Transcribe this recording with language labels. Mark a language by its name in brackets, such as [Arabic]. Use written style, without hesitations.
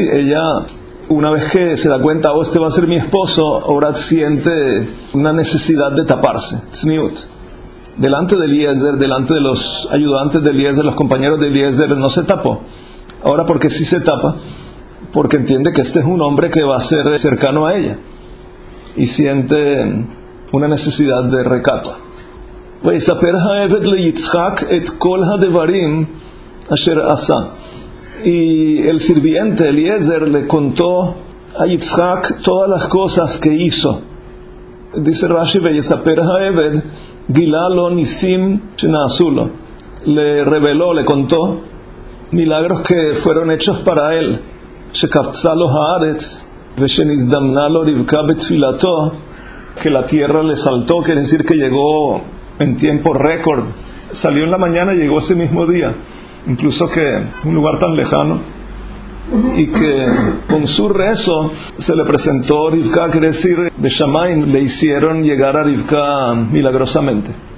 [Spanish] Ella, una vez que se da cuenta, oh, este va a ser mi esposo, ahora siente una necesidad de taparse. Tzniut. Delante de Eliezer, delante de los ayudantes de Eliezer, los compañeros de Eliezer, no se tapó. Ahora, ¿por qué sí se tapa? Porque entiende que este es un hombre que va a ser cercano a ella. Y siente una necesidad de recato. [Hebrew] ויספר העבד ליצחק את כל הדברים אשר עשה. [Spanish] Y el sirviente Eliezer le contó a Yitzhak todas las cosas que hizo. [Hebrew] Dice Rashi, ויספר העבד גילה לו ניסים שנעשו לו. [Spanish] Le reveló, le contó milagros que fueron hechos para él. [Hebrew] שקפצה לו הארץ ושנזדמנה לו רבקה בתפילתו. [Spanish] Que la tierra le saltó, quiere decir que llegó en tiempo récord, salió en la mañana y llegó ese mismo día, incluso que un lugar tan lejano, y que con su rezo se le presentó Rivka, quiere decir, de Shamaim, le hicieron llegar a Rivka milagrosamente.